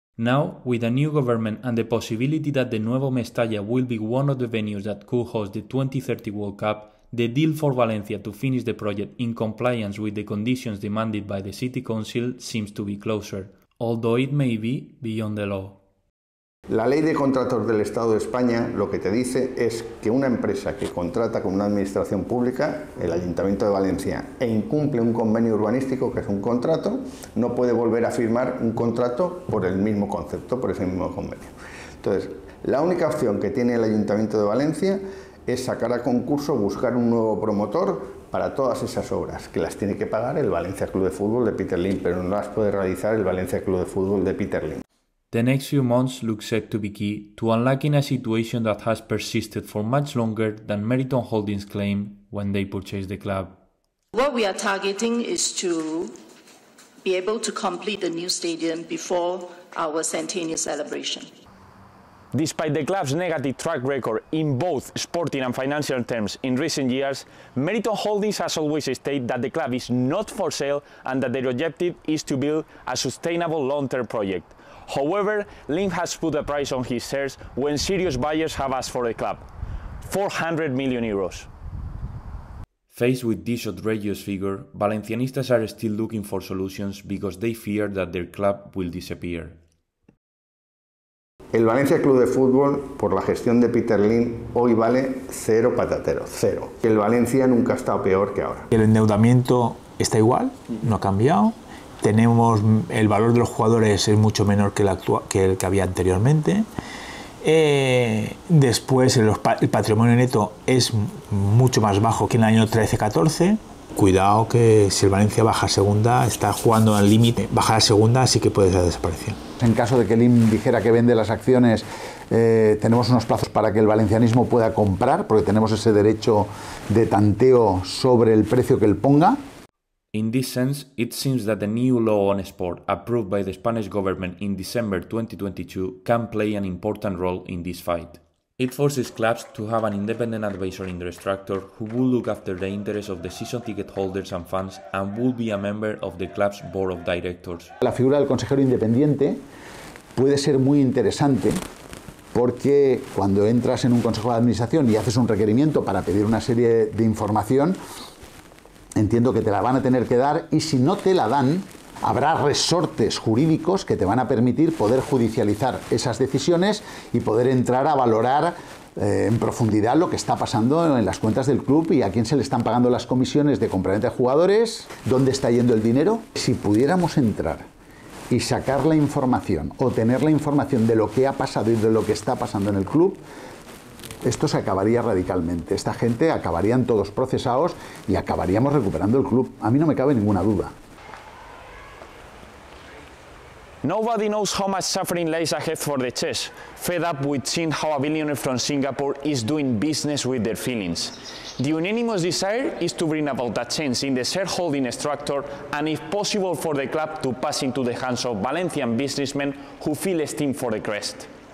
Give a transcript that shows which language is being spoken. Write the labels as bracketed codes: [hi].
[en] Now, with a new government and the possibility that the Nuevo Mestalla will be one of the venues that could host the 2030 World Cup, the deal for Valencia to finish the project in compliance with the conditions demanded by the City Council seems to be closer, although it may be beyond the law. [es] La ley de contratos del Estado de España lo que te dice es que una empresa que contrata con una administración pública, el Ayuntamiento de Valencia, e incumple un convenio urbanístico, que es un contrato, no puede volver a firmar un contrato por el mismo concepto, por ese mismo convenio. Entonces, la única opción que tiene el Ayuntamiento de Valencia es sacar a concurso, buscar un nuevo promotor para todas esas obras, que las tiene que pagar el Valencia Club de Fútbol de Peter Lim, pero no las puede realizar el Valencia Club de Fútbol de Peter Lim. [en] The next few months look set to be key to unlocking a situation that has persisted for much longer than Meriton Holdings claimed when they purchased the club. What we are targeting is to be able to complete the new stadium before our centennial celebration. Despite the club's negative track record in both sporting and financial terms in recent years, Meriton Holdings has always stated that the club is not for sale and that their objective is to build a sustainable long-term project. However, Lim has put a price on his shares when serious buyers have asked for the club, 400 million euros. Faced with this outrageous figure, Valencianistas are still looking for solutions because they fear that their club will disappear. [es] El Valencia Club de Fútbol, por la gestión de Peter Lim, hoy vale cero patatero, cero. El Valencia nunca ha estado peor que ahora. El endeudamiento está igual, no ha cambiado. Tenemos el valor de los jugadores es mucho menor que el actual, que el que había anteriormente. Después el patrimonio neto es mucho más bajo que en el año 13-14. Cuidado que si el Valencia baja a segunda, está jugando al límite. Bajar a segunda sí que puede desaparecer. En caso de que Lim dijera que vende las acciones, tenemos unos plazos para que el valencianismo pueda comprar, porque tenemos ese derecho de tanteo sobre el precio que él ponga. [en] In this sense, it seems that the new law on sport approved by the Spanish government in December 2022 can play an important role in this fight. It forces clubs to have an independent advisor in their structure who will look after the interests of the season ticket holders and fans and will be a member of the club's board of directors. [es] La figura del consejero independiente puede ser muy interesante porque cuando entras en un consejo de administración y haces un requerimiento para pedir una serie de información, entiendo que te la van a tener que dar y si no te la dan, habrá resortes jurídicos que te van a permitir poder judicializar esas decisiones y poder entrar a valorar en profundidad lo que está pasando en las cuentas del club y a quién se le están pagando las comisiones de compraventa de jugadores, dónde está yendo el dinero. Si pudiéramos entrar y sacar la información o tener la información de lo que ha pasado y de lo que está pasando en el club, esto se acabaría radicalmente. Esta gente acabarían todos procesados y acabaríamos recuperando el club. A mí no me cabe ninguna duda. [en] Nobody knows how much suffering lies ahead for the Chess, fed up with seeing how a billionaire from Singapore is doing business with their feelings. The unanimous desire is to bring about a change in the shareholding structure and if possible for the club to pass into the hands of Valencian businessmen who feel esteem for the crest.